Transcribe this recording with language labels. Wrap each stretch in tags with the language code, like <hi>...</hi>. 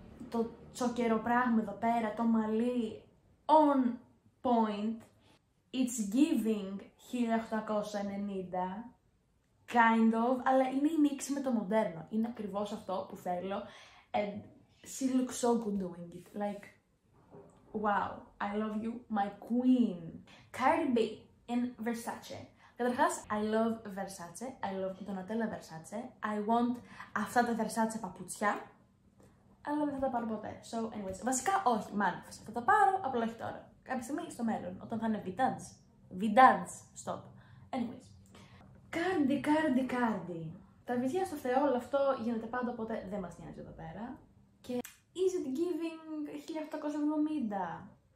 <el>Το τσοκερό πράγμα εδώ πέρα, το μαλλί,</el> <en>on point, it's giving 1890,</en> <el>Kind of, αλλά είναι η μίξη με το μοντέρνο. Είναι ακριβώς αυτό που θέλω.</el> <en>And she looks so good doing it. Like, wow, I love you, my queen. Cardi B in Versace.</en> <el>Καταρχάς,</el> <en>I love Versace. I love Donatella Versace. I want</en> <el>αυτά τα Versace παπούτσια. Αλλά δεν θα τα πάρω ποτέ.</el> <en>So, anyways.</en> <el>Βασικά, όχι, μάλλον. Θα τα πάρω, απλά όχι τώρα. Κάποια στιγμή στο μέλλον, όταν θα είναι Vintage. Vintage,</el> <en>stop. Anyways.</en> <el>Cardi. Τα βιβλία στο Θεό, όλο αυτό γίνεται πάντα, οπότε δεν μας νοιάζει εδώ πέρα. Και</el> <en>is it giving 1870?</en>